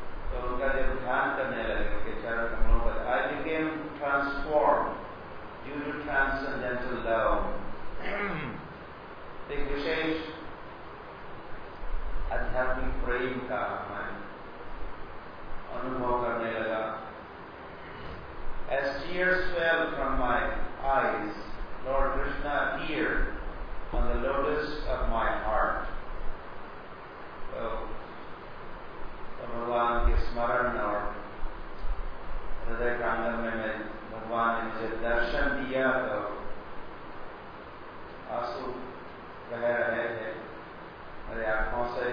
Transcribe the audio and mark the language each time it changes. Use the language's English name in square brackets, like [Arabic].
[Hindi] तो उनका जब ध्यान करने लगे उनके चरण कमलों पर, [English] I became transform due to transcendental love. [Hindi] एक विशेष आध्यात्मिक प्रेम का मैं अनुभव करने लगा। [English] As tears fell from my eyes, Lord Krishna appeared on the lotus of my heart. [Hindi] तो भगवान के स्मरण और हृदय प्रांगण में मैं भगवान ने मुझे दर्शन दिया, तो आंसू बह रहे थे मेरे आंखों से।